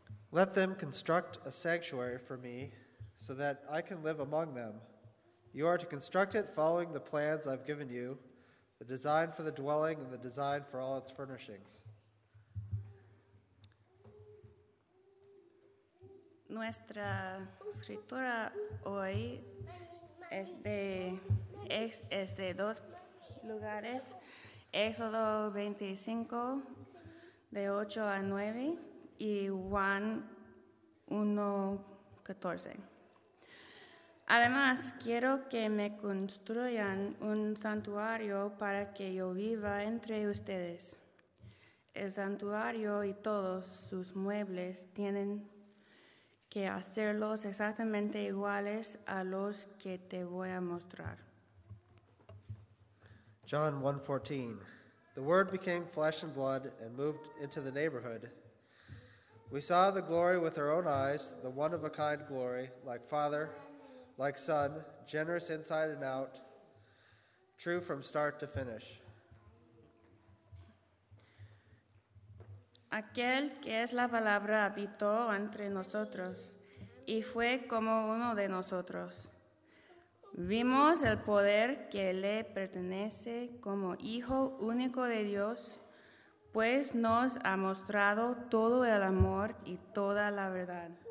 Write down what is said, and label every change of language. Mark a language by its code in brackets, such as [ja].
[en] Let them construct a sanctuary for me so that I can live among them. You are to construct it following the plans I've given you, the design for the dwelling and the design for all its furnishings. [es] Nuestra escritura hoy es de dos lugares, Éxodo 25, de 8 a 9, y Juan 1, 14. Además, quiero que me construyan un santuario para que yo viva entre ustedes. El santuario y todos sus muebles tienen que hacerlos exactamente iguales a los que te voy a mostrar. [en] John 1:14. The Word became flesh and blood and moved into the neighborhood. We saw the glory with our own eyes, the one of a kind glory, like Father, like Son, generous inside and out, true from start to finish. [es] Aquel que es la palabra habitó entre nosotros y fue como uno de nosotros. Vimos el poder que le pertenece como Hijo único de Dios, pues nos ha mostrado todo el amor y toda la verdad.